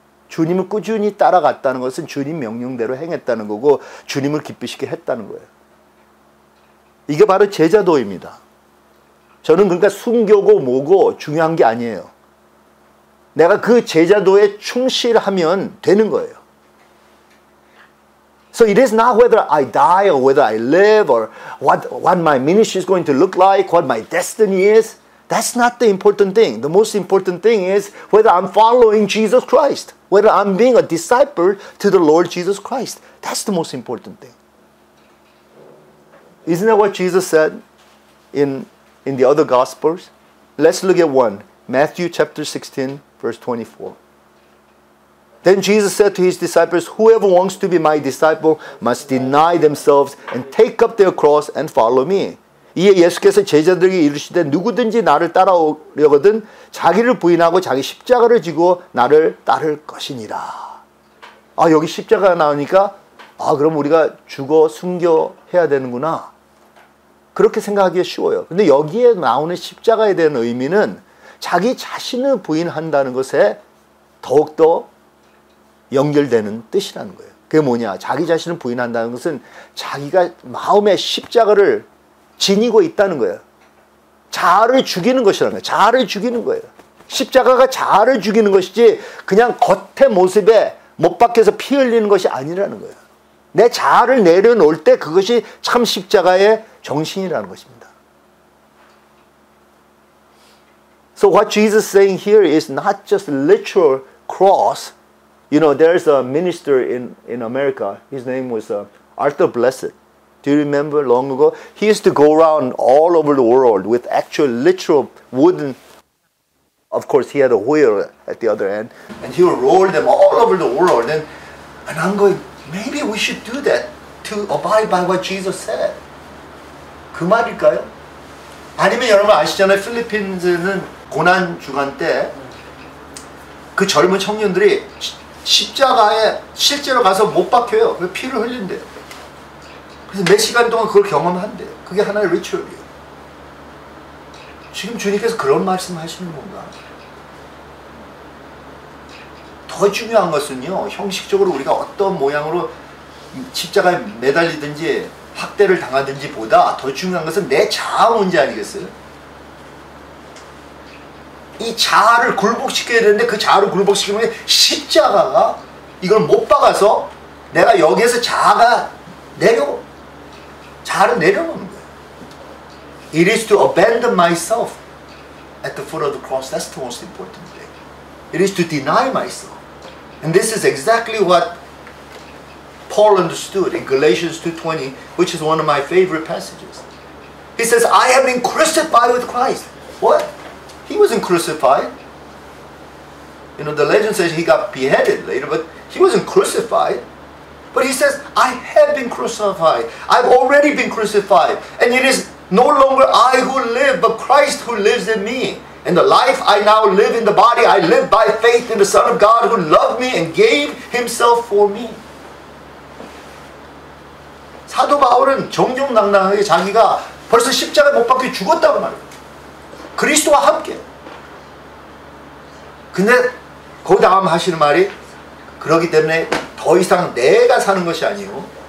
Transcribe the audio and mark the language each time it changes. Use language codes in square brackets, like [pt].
[ko] 주님을 꾸준히 따라갔다는 것은 주님 명령대로 행했다는 거고 주님을 기쁘시게 했다는 거예요. 이게 바로 제자도입니다. 저는 그러니까 순교고 뭐고 중요한 게 아니에요. 내가 그 제자도에 충실하면 되는 거예요. [en] So it is not whether I die or whether I live or what my ministry is going to look like, what my destiny is. That's not the important thing. The most important thing is whether I'm following Jesus Christ, whether I'm being a disciple to the Lord Jesus Christ. That's the most important thing. Isn't that what Jesus said in the other Gospels? Let's look at one, Matthew chapter 16, verse 24. Then Jesus said to his disciples, "Whoever wants to be my disciple must deny themselves and take up their cross and follow me." [ko] 이에 예수께서 제자들에게 이르시되 누구든지 나를 따라오려거든 자기를 부인하고 자기 십자가를 지고 나를 따를 것이니라. 아 여기 십자가 나오니까 아 그럼 우리가 죽어 순교해야 되는구나. 그렇게 생각하기 쉬워요. 근데 여기에 나오는 십자가에 대한 의미는 자기 자신을 부인한다는 것에 더욱더 연결되는 뜻이라는 거예요. 그게 뭐냐? 자기 자신을 부인한다는 것은 자기가 마음의 십자가를 지니고 있다는 거예요. 자아를 죽이는 것이라는 거예요. 자아를 죽이는 거예요. 십자가가 자아를 죽이는 것이지 그냥 겉의 모습에 못 박혀서 피 흘리는 것이 아니라는 거예요. 내 자아를 내려놓을 때 그것이 참 십자가의 정신이라는 것입니다. [en] So what Jesus is saying here is not just literal cross. You know, there's a minister in America. His name was Arthur Blessed. Do you remember long ago? He used to go around all over the world with actual literal wooden. Of course, he had a wheel at the other end. And he would roll them all over the world. And I'm going, maybe we should do that to abide by what Jesus said. [ko] 그 말일까요? 아니면 여러분 아시잖아요. 필리핀스는 고난 주간 때 그 젊은 청년들이 십자가에 실제로 가서 못 박혀요. 피를 흘린대요. 그래서 몇 시간 동안 그걸 경험한대요. 그게 하나의 리추얼이에요. 지금 주님께서 그런 말씀 하시는 건가? 더 중요한 것은요, 형식적으로 우리가 어떤 모양으로 십자가에 매달리든지 학대를 당하든지 보다 더 중요한 것은 내 자아 문제 아니겠어요? 이 자아를 굴복시켜야 되는데 그 자아를 굴복시키는 게 십자가가 이걸 못 박아서 내가 여기에서 자아가 자아를 내려놓는 거예요. [en] It is to abandon myself at the foot of the cross. That's the most important thing. It is to deny myself. And this is exactly what Paul understood in Galatians 2:20, which is one of my favorite passages. He says, I have been crucified with Christ. What? He wasn't crucified. You know, the legend says he got beheaded later, but he wasn't crucified. But he says, I have been crucified. I've already been crucified. And it is no longer I who live, but Christ who lives in me. And the life I now live in the body, I live by faith in the Son of God who loved me and gave himself for me. [ko] 사도 바울은 정정당당하게 자기가 벌써 십자가에 못 박혀 죽었다고 말해요. 그리스도와 함께. 근데 그 다음 하시는 말이 그러기 때문에 더 이상 내가 사는 것이 아니오.